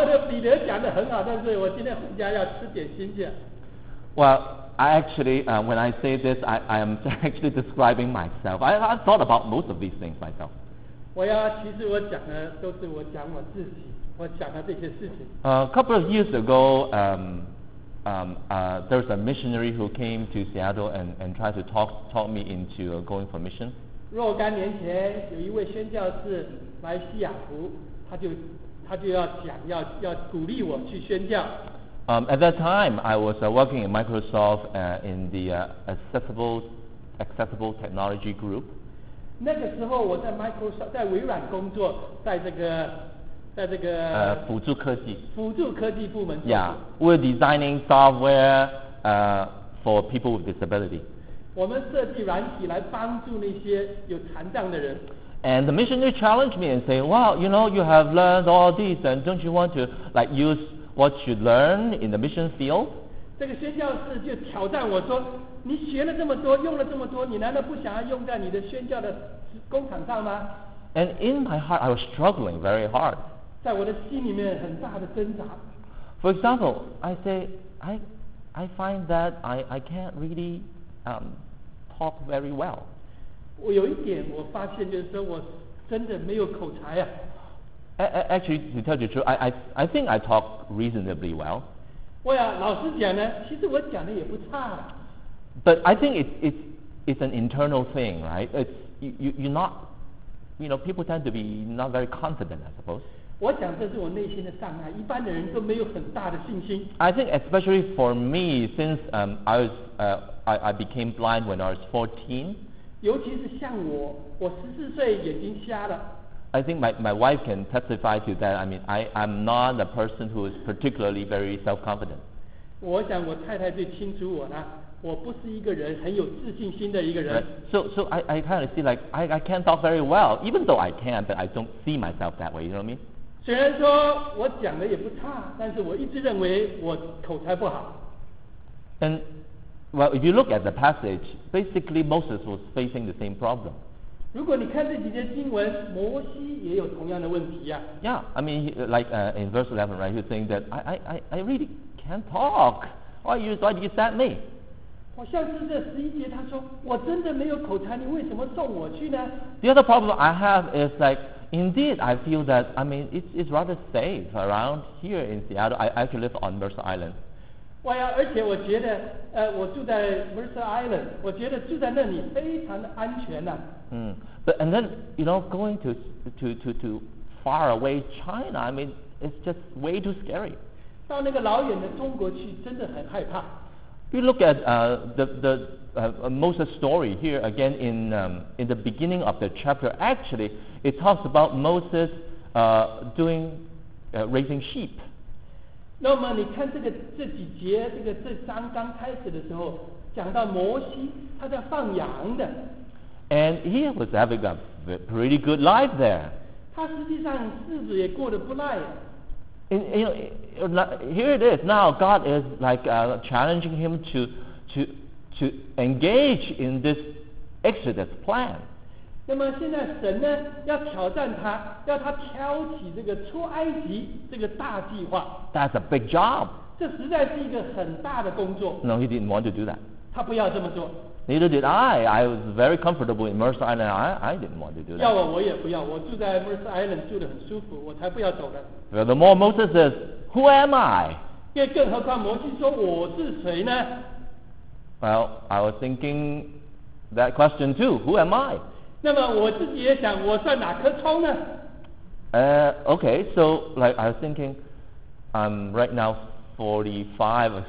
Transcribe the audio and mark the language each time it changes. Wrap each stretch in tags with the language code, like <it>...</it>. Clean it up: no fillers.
<zh>彼得讲得很好，但是我今天回家要吃点心去。</zh> <en>Well, I actually, when I say this, I am actually describing myself. I thought about most of these things myself.</en> <zh>其实我讲的都是我讲我自己，我讲的这些事情。</zh> <en>A couple of years ago, there's a missionary who came to Seattle and tried to talk me into going for mission.</en> <zh>若干年前，有一位宣教士来西雅图，他就要鼓励我去宣教。</zh> <en>At that time, I was working in Microsoft in the accessible technology group.</en> <zh>那个时候我在 Microsoft 在微软工作，在这个辅助科技部门。</zh> <en>Yeah, we're designing software for people with disability.</en> <zh>我们设计软体来帮助那些有残障的人。</zh> <en>And the missionary challenged me and said, "Wow, you know, you have learned all these, and don't you want to like use what you learn in the mission field?"</en> <zh>这个宣教士就挑战我说，你学了这么多，用了这么多，你难道不想要用在你的宣教的工厂上吗？</zh> <en>And in my heart, I was struggling very hard.</en> <zh>在我的心里面很大的挣扎。</zh> <en>For example, I say, I find that I can't really talk very well.</en> <zh>我有一点我发现就是说我真的没有口才啊。</zh> <en>Actually, to tell you the truth, I think I talk reasonably well.</en> <zh>老实讲呢，其实我讲的也不差。</zh> <en>But I think it's it's an internal thing, right? It's, you're not, you know, people tend to be not very confident, I suppose.</en> <zh>我想这是我内心的障碍，一般的人都没有很大的信心。</zh> <en>I think especially for me, since I became blind when I was 14.</en> <zh>尤其是像我，我十四岁眼睛瞎了。</zh> <en>I think my wife can testify to that. I mean, I'm not a person who is particularly very self-confident.</en> <zh>我想我太太最清楚我了。我不是一个人很有自信心的一个人。</zh> <en>Right. So I kind of see like I can't talk very well, even though I can, but I don't see myself that way. You know what I mean?</en> <zh>虽然说我讲的也不差，但是我一直认为我口才不好。</zh> <en>And well, if you look at the passage, basically Moses was facing the same problem.</en> <zh>如果你看这几节经文，摩西也有同样的问题呀、</zh> <en>啊。Yeah, I mean, like in verse 11, right? He's saying that I really can't talk. Why did you send me?</en> <zh>我像是这十一节，他说我真的没有口才，你为什么送我去呢</zh> <en>？The other problem I have is like, indeed, I feel that I mean it's rather safe around here in Seattle. I actually live on Mercer Island.</en> <zh>我呀，而且我觉得，我住在 Mercer Island， 我觉得住在那里非常的安全呐、啊。</zh> <en>But and then you know, going to far away China, I mean it's just way too scary.</en> <zh>到那个老远的中国去，真的很害怕。</zh> <en>You look at the Moses story here again in the beginning of the chapter. Actually, it talks about Moses raising sheep.</en> <zh>那么你看这个这几节这个这章刚开始的时候，讲到摩西他在放羊的。</zh> <en>And he was having a pretty good life there.</en> <zh>他实际上日子也过得不赖。</zh> <en>And, you know, here it is. Now God is like challenging him to engage in this Exodus plan.</en> <zh>那么现在神呢要挑战他，要他挑起这个出埃及这个大计划。</zh> <en>That's a big job.</en> <zh>这实在是一个很大的工作。</zh> <en>No, he didn't want to do that.</en> <zh>他不要这么做。</zh> <en>Neither did I. I was very comfortable in Mercer Island. I didn't want to do that.</en> <zh>要我也不要。我住在 Mercer Island 住得很舒服，我才不要走呢。</zh> <en>Furthermore, Moses says, "Who am I?"</en> <zh>更何况摩西说我是谁呢</zh> <en>？Well, I was thinking that question too. Who am I?</en> <zh>那么我自己也想，我算哪颗葱呢</zh> <en>？Okay, so like I was thinking, I'm right now 45.</en>